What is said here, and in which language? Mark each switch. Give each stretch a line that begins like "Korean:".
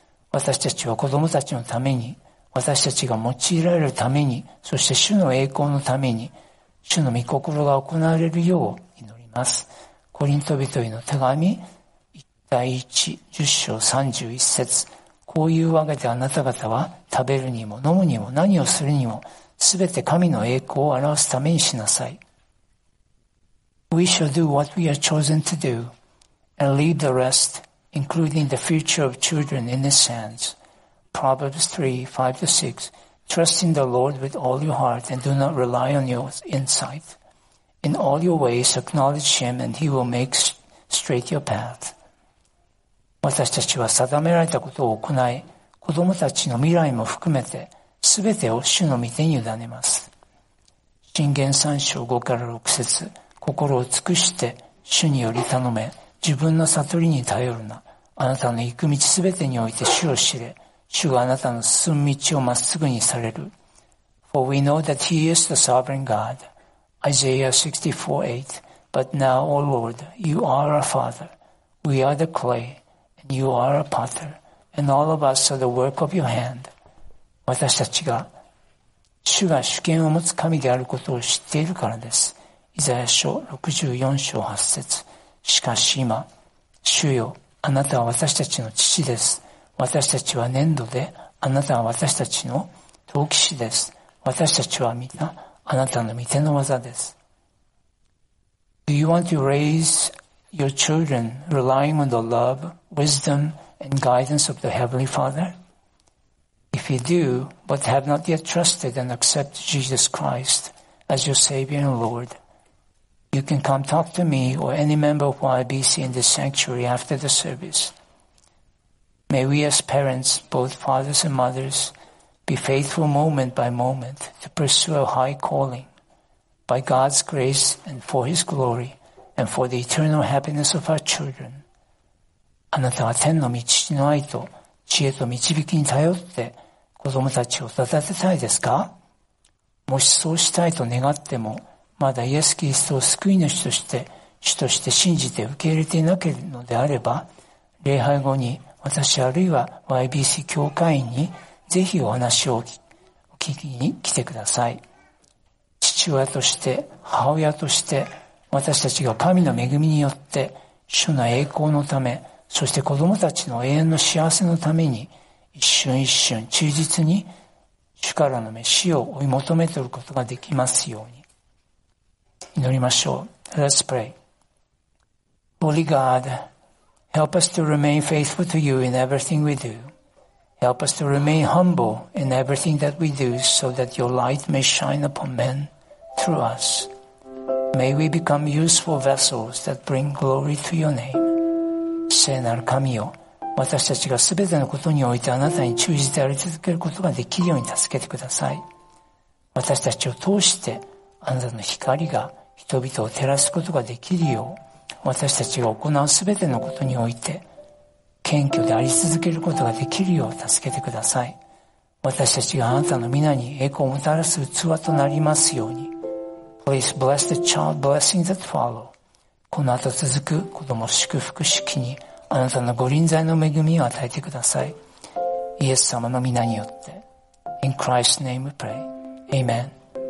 Japanese: 私たちは子供たちのために、私たちが用いられるために、そして主の栄光のために、主の御心が行われるよう祈ります。コリント人への手紙1:10-31、こういうわけであなた方は食べるにも飲むにも何をするにも全て神の栄光を表すためにしなさい。
English: We shall do what we are chosen to do and leave the rest, including the future of children, in His hands. Proverbs 3:5-6. Trust in the Lord with all your heart and do not rely on your insight. In all your ways acknowledge Him and He will make straight your path.
Japanese: 私たちは定められたことを行い、子供たちの未来も含めて全てを主の御手に委ねます。箴言3:5-6、心を尽くして主により頼め、自分の悟りに頼るな。あなたの行く道全てにおいて主を知れ、主があなたの進む道をまっすぐにされる。
English: For we know that He is the sovereign God. Isaiah 64:8. But now, O Lord, you are our Father. We are the clay. You are a potter, and all of us are the work of your hand.
Japanese: 私たちが主が主権を持つ神であることを知っているからです。イザヤ書64:8。しかし今、主よ、あなたは私たちの父です。私たちは粘土で、あなたは私たちの陶器師です。私たちは皆、あなたの御手の業です。
English: Do you want to raise your children relying on the love, wisdom, and guidance of the Heavenly Father? If you do, but have not yet trusted and accepted Jesus Christ as your Savior and Lord, you can come talk to me or any member of YBC in this sanctuary after the service. May we as parents, both fathers and mothers, be faithful moment by moment to pursue a high calling by God's grace and for His glory. And for the eternal happiness of our children.
Japanese: あなたは天の父の愛と知恵と導きに頼って子供たちを育てたいですか？もしそうしたいと願っても、まだイエス・キリストを救い主として主として信じて受け入れていなければのであれば、礼拝後に私あるいは YBC 教会員にぜひお話を聞きに来てください。父親として母親として、私たちが神の恵みによって主の栄光のため、そして子供たちの永遠の幸せのために、一瞬一瞬忠実に主からの召しを追い求めておることができますように祈りましょう。
English: Let's pray. Holy God, help us to remain faithful to you in everything we do. Help us to remain humble in everything that we do, so that your light may shine upon men through us. May we become useful vessels that bring glory to your name.
Japanese: 聖なる神よ、私たちが全てのことにおいてあなたに忠実であり続けることができるように助けてください。私たちを通してあなたの光が人々を照らすことができるよう、私たちが行う全てのことにおいて謙虚であり続けることができるよう助けてください。私たちがあなたの御名に栄光をもたらす器となりますように、
English: Please bless the child blessing that follow.
Japanese: この後続く子供祝福式にあなたの御臨在の恵みを与えてください。イエス様の御名によって。
English: In Christ's name we pray. Amen.